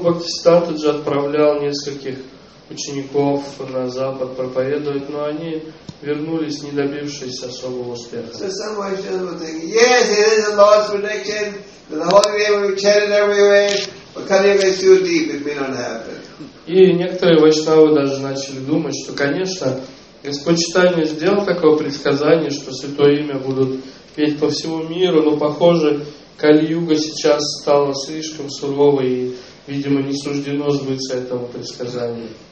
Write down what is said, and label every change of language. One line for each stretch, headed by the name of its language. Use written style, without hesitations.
Russian: Бхактисиддхантаджи отправлял нескольких учеников на Запад проповедовать, но они вернулись, не добившись особого успеха.
English: So some Vaishnavas were thinking, yes, it is the Lord's prediction, but the holy name will be chanted everywhere. But Kaliyuga is too deep, it may not happen.
Russian: И некоторые вайшнавы даже начали думать, что, конечно, Господь Читания сделал такое предсказание, что Святое Имя будут петь по всему миру, но, похоже, Кали-Юга сейчас стала слишком суровой, и, видимо, не суждено сбыться этому предсказанию.